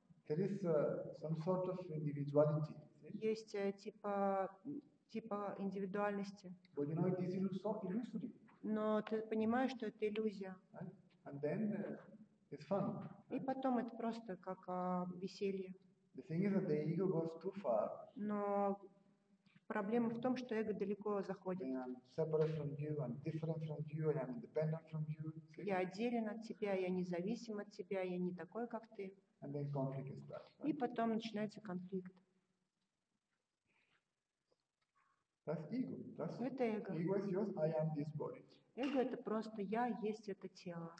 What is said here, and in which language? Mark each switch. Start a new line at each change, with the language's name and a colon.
English: There is some sort of individuality.
Russian: Есть типа индивидуальности.
English: But you know it is illusory.
Russian: Но ты понимаешь, что это иллюзия.
English: Right? And then, it's fun.
Russian: И потом это просто как веселье.
English: The thing is that the ego goes too far.
Russian: Но проблема в том, что эго далеко заходит.
English: I'm separate from you, I'm different from you, I'm independent from you. See?
Russian: Я отделен от тебя, я независим от тебя, я не такой, как ты.
English: And then conflict is that, right?
Russian: И потом начинается конфликт.
English: That's ego. That's
Russian: это эго.
English: Ego is yours, I am this body.
Russian: Эго это просто я есть это тело.